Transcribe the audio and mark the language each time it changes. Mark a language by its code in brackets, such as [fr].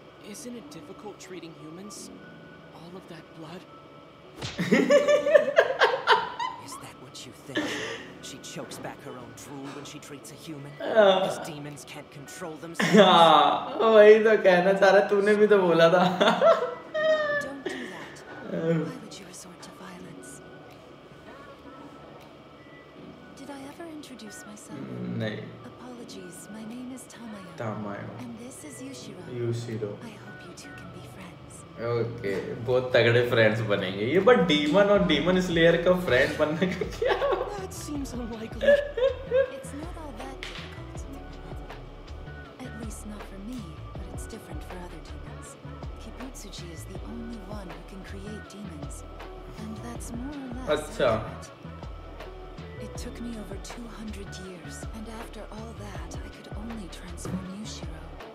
[en] Isn't it difficult treating humans? All of that blood? Is that what you think? She chokes back her own drool when she treats a human? Because demons can't control themselves? [hi] वही तो कहना चाह रहा, तूने भी तो बोला था। [en] Why would you resort to violence? Did I ever introduce myself? Nay. Apologies, my name is Tamayo. Tamayo. And this is Yushiro. Yushiro. I hope you two can be friends. [hi] Okay, बहुत तगड़े friends बनेंगे ये, but demon और demon slayer का friend बनने का क्या? [en] That seems unlikely. It's not all that difficult. At least not for me, but it's different for other demons. Kibutsuji is the only one who can create demons, and that's more or less [hi] Achha. [en] It took me over 200 years, and after all that, I could only transform Yushiro.